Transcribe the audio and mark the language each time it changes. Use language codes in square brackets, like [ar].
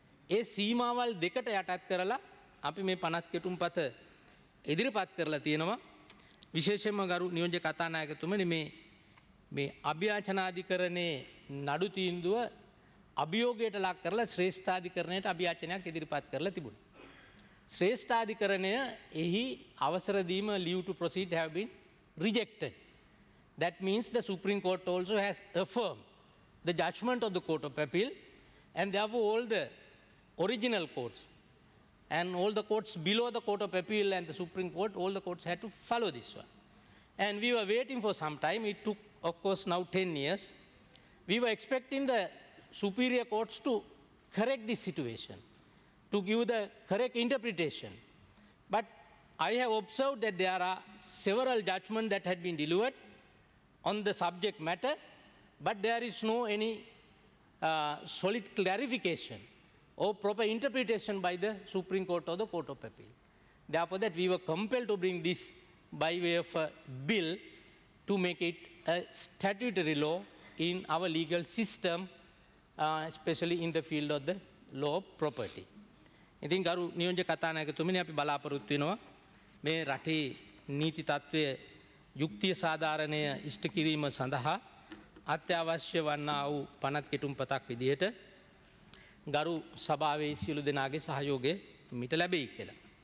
[si] ඒ සීමාවල් දෙකට යටත් කරලා අපි මේ පනත් කෙටුම්පත ඉදිරිපත් කරලා තියෙනවා. විශේෂයෙන්ම ගරු නියෝජ්‍ය කතානායකතුමනි මේ අභියාචනාධිකරණයේ නඩු තීන්දුව අභියෝගයට ලක් කරලා ශ්‍රේෂ්ඨාධිකරණයට අභියාචනයක් ඉදිරිපත් කරලා තිබුණා. ශ්‍රේෂ්ඨාධිකරණය එහි අවසර දීම [en] leave to proceed have been rejected. That means the Supreme Court also has affirmed the judgment of the Court of Appeal and therefore all the original courts and all the courts below the Court of Appeal and the Supreme Court, all the courts had to follow this one. And we were waiting for some time. It took, of course, now 10 years. We were expecting the superior courts to correct this situation, to give the correct interpretation. But I have observed that there are several judgments that had been delivered on the subject matter, but there is no any solid clarification or proper interpretation by the Supreme Court or the Court of Appeal. Therefore, that we were compelled to bring this by way of a bill to make it a statutory law in our legal system, especially in the field of the law of property. [si] ඉතින් ගරු නියෝජ්‍ය කතානායකතුමනි අපි බලාපොරොත්තු වෙනවා මේ රටේ නීති තත්ත්වය යුක්තිය සාධාරණය ඉෂ්ට කිරීම සඳහා අත්‍යවශ්‍ය වන්නා වූ පනත් කෙටුම්පතක් විදිහට ගරු සභාවේ සියලු දෙනාගේ සහයෝගය මිට ලැබෙයි කියලා.